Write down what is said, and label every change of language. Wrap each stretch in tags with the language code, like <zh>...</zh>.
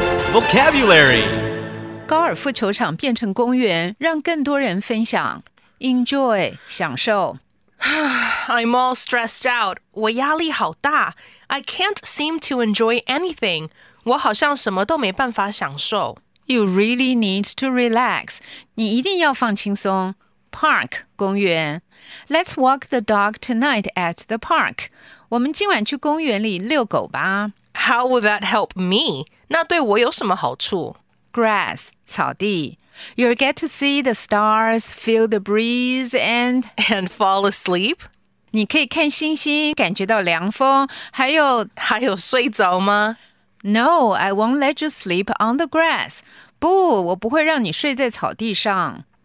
<en>Vocabulary.</en> <zh>高尔夫球场变成公园，让更多人分享。</zh> <en>Enjoy,</en> <zh>享受。</zh> <en>I'm all stressed out.</en> <zh>我压力好大。</zh> <en>I can't seem to enjoy anything.</en> <zh>我好像什么都没办法享受。</zh> <en>You really need to relax.</en> <zh>你一定要放轻松。</zh> <en>Park,</en> <zh>公园。</zh> <en>Let's walk the dog tonight at the park.</en> <zh>我们今晚去公园里遛狗吧。</zh> <en>How would that help me?</en> <zh>那对我有什么好处?</zh> <en>Grass,</en> <zh>草地。</zh> <en>You'll get to see the stars, feel the breeze, and fall asleep.</en> <zh>你可以看星星，感觉到凉风，还有睡着吗?</zh> <en>No, I won't let you sleep on the grass.</en> <zh>不，我不会让你睡在草地上。</zh>